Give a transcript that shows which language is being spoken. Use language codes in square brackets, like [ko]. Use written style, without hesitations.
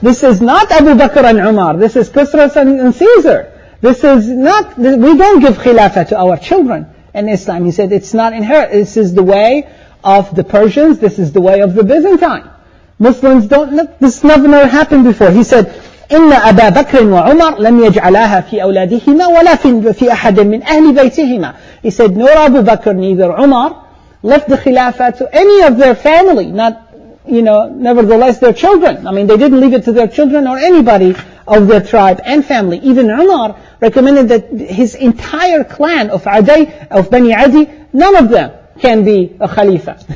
[en] This is not Abu Bakr and Umar. This is Qisra and Caesar. This is not, we don't give Khilafah to our children in Islam. He said, it's not inherent. This is the way of the Persians. This is the way of the Byzantine. Muslims don't, this never happened before. He said, [ar] إِنَّ أَبَا بَكْرٍ وَعُمَرْ لَمْ يَجْعَلَاهَا فِي أَوْلَادِهِمَا وَلَا فِي أَحَدٍ مِّنْ أَهْلِ بَيْتِهِمَا. [en] He said, nor Abu Bakr, neither Umar, left the Khilafah to any of their family. Not, you know, nevertheless their children. I mean, they didn't leave it to their children or anybody of their tribe and family. Even Umar recommended that his entire clan of Adi, of Bani Adi, none of them can be a Khalifa.